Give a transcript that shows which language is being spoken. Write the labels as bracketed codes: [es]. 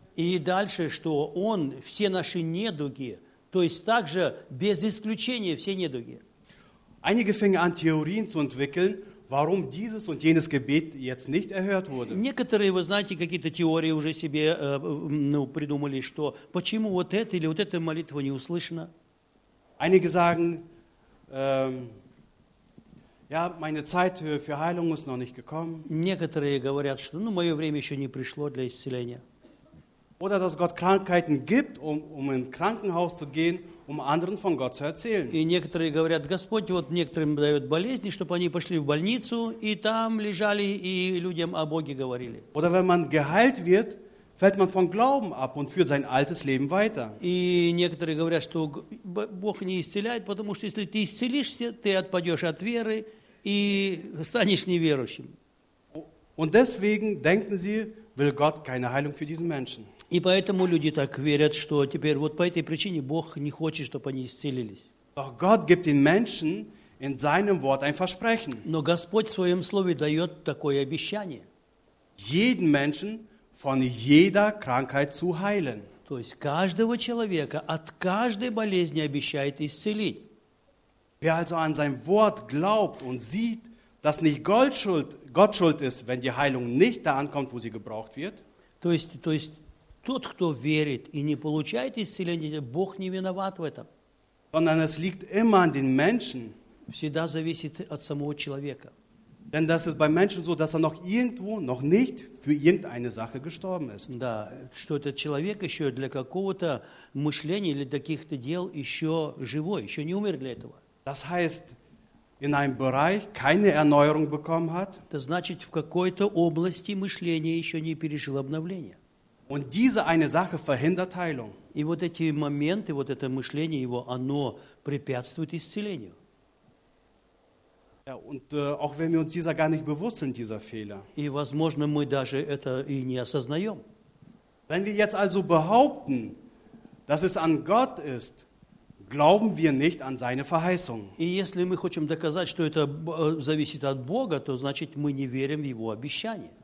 [ru] И дальше, что он все наши недуги, то есть также без исключения все недуги. [de] Einige fingen an, Theorien zu entwickeln, warum dieses und jenes Gebet jetzt nicht erhört wurde. [ru] Некоторые, вы знаете, какие-то теории уже себе придумали, что почему вот это или вот эта молитва не услышана. [de] Einige sagen, meine Zeit für Heilung ist noch nicht gekommen. [ru] Некоторые говорят, что мое время еще не пришло для исцеления. [de] Oder dass Gott Krankheiten gibt, um ins Krankenhaus zu gehen, um anderen von Gott zu erzählen. [ru] И некоторые говорят, Господь вот некоторым дает болезни, чтобы они пошли в больницу и там лежали и людям о Боге говорили. [de] Oder wenn man geheilt wird, fällt man vom Glauben ab und führt sein altes Leben weiter. [ru] И некоторые говорят, что Бог не исцеляет, потому что если ты исцелишься, ты отпадешь от веры и станешь неверующим. [de] Und deswegen denken sie, will Gott keine Heilung für diesen Menschen. [ru] И поэтому люди так верят, что теперь вот по этой причине Бог не хочет, чтобы они исцелились. [de] Doch Gott gibt den Menschen in seinem Wort ein Versprechen. [ru] Но Господь в своем слове дает такое обещание. [de] Jeden Menschen von jeder Krankheit zu heilen. [ru] То есть каждого человека от каждой болезни обещает исцелить. [de] Wer also an sein Wort glaubt und sieht, dass nicht Gott schuld ist, wenn die Heilung nicht da ankommt, wo sie gebraucht wird. [ru] То есть тот, кто верит и не получает исцеления, Бог не виноват в этом. [de] Sondern es liegt immer an den Menschen. [ru] Всегда зависит от самого человека. [de] Denn das ist bei Menschen so, dass er noch irgendwo, noch nicht für irgendeine Sache gestorben ist. [ru] Да, что этот человек еще для какого-то мышления или для каких-то дел еще живой, еще не умер для этого. [de] Das heißt, in einem Bereich keine Erneuerung bekommen hat. Das [ru] значит, в какой-то области мышления еще не пережил обновление. [de] Und diese eine Sache verhindert Heilung. [ru] И вот эти моменты, вот это мышление его, оно препятствует исцелению. [de] Ja, und auch wenn wir uns dieser gar nicht bewusst sind, dieser Fehler. [ru] И возможно, мы даже это и не осознаем. [de] Wenn wir jetzt also behaupten, dass es an Gott ist, glauben wir nicht an seine Verheißung. [ru] И если мы хотим доказать, что это зависит от Бога, то значит мы не верим в его обещание.